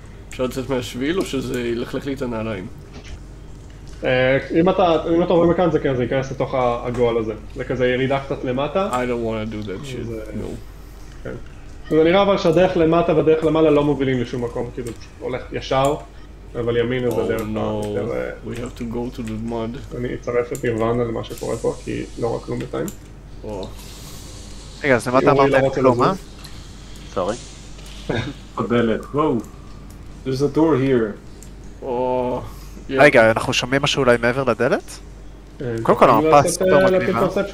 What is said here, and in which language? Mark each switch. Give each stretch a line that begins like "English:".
Hebrew: אפשר לצאת מהשביל, או שזה ילכלך לי את הנעליים? אם אתה רואה מכאן, זה כן, זה ייכנס לתוך הגועל הזה. זה כזה ירידה קצת למטה.
English: I don't want to do that shit. No.
Hebrew: זה נראה אבל שהדרך למטה והדרך למעלה לא מובילים לשום מקום, כאילו הולך ישר. אבל ימין זה דרך כלל.
English: Oh no, we have to go to the mud.
Hebrew: אני אצרף את נירוונה למה שקורה פה, כי לא רק כלום בטיים. רגע, אז למה אתה אמרת את כלום, אה? סורי. הדלת, וואו.
English: There's a door here.
Hebrew: רגע, אנחנו שומעים משהו אולי מעבר לדלת? קודם כל, המפה סופר מגניבה.